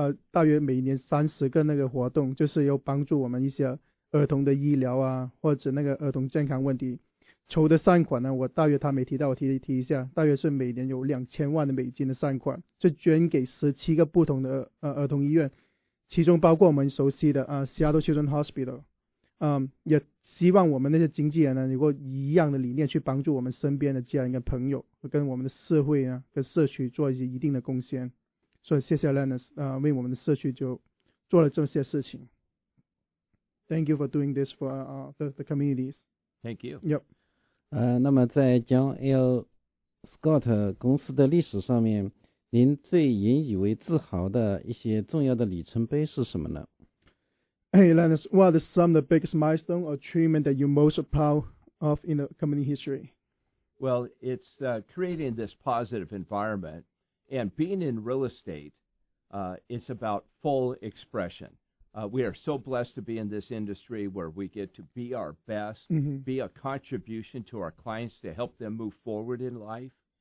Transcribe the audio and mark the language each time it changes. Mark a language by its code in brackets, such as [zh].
[zh] 大约每年30个那个活动，就是要帮助我们一些儿童的医疗啊，或者那个儿童健康问题筹的善款呢，我大约他没提到，我 提一下，大约是每年有2000万的美金的善款，就捐给17个不同的儿童医院，其中包括我们熟悉的Seattle Children's Hospital， 也希望我们那些经纪人呢，有过一样的理念去帮助我们身边的家人跟朋友，跟我们的社会啊，跟社区做一些一定的贡献。所以谢谢 Lennis 为我们的社区就做了这些事情。 [en] Thank you for doing this for the communities. Thank you. Yep. [zh] 那么在 John L. Scott 公司的历史上面，您最引以为自豪的一些重要的里程碑是什么呢？ [en] Hey, Lennis, what are some of the biggest milestones or achievements that you're most proud of in the company history? Well, it's creating this positive environment. And being in real estate, it's about full expression. We are so blessed to be in this industry where we get to be our best, be a contribution to our clients to help them move forward in life.